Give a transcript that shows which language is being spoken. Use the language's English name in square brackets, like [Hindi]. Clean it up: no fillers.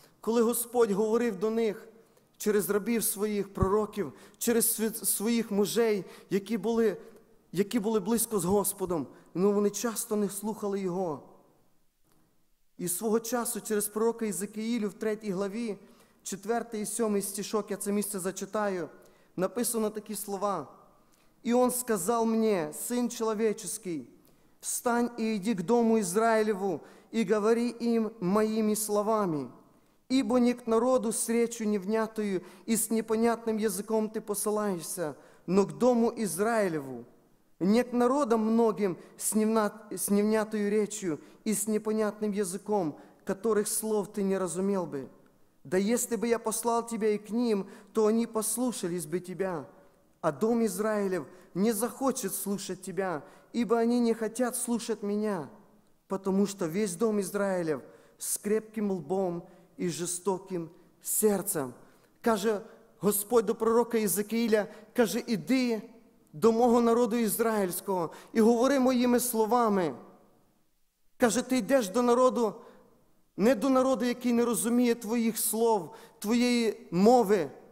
[Ukrainian] Коли Господь говорив до них, через рабів своїх пророків, через своїх мужей, які були близько з Господом, але вони часто не слухали Його. І свого часу через пророка Єзекіїлю в 3 главі, 4 і 7 стішок, я це місце зачитаю, написано такі слова. «І он сказав мені, син чоловічий, [Russian] «Встань и иди к дому Израилеву, и говори им моими словами. Ибо не к народу с речью невнятую и с непонятным языком ты посылаешься, но к дому Израилеву, не к народам многим с невнятую речью и с непонятным языком, которых слов ты не разумел бы. Да если бы я послал тебя и к ним, то они послушались бы тебя. А дом Израилев не захочет слушать тебя, ибо они не хотят слушать меня, потому что весь дом Израилев с крепким лбом и жестоким сердцем». [Ukrainian] Каже Господь до пророка Єзекииля, каже: «Іди до мого народу ізраїльського і говори моїми словами». Каже: «Ти йдеш до народу, не до народу, який не розуміє твоїх слов, твоєї мови.